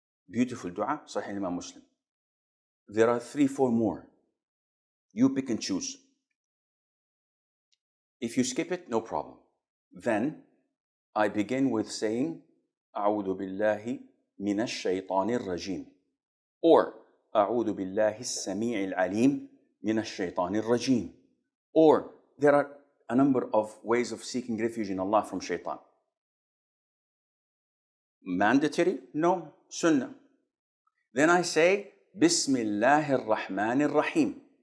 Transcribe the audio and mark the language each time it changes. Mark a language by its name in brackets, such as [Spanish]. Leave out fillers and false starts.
[English] Beautiful dua, Sahih Imam Muslim. There are 3-4 more. You pick and choose. If you skip it, no problem. Then I begin with saying, [Arabic] أعوذ بالله من الشيطان الرجيم. Or أعوذ بالله السميع العليم من الشيطان الرجيم. [English] Or there are a number of ways of seeking refuge in Allah from shaitan. Mandatory? No. Sunnah. Then I say, [Arabic] بسم الله الرحمن الرحيم.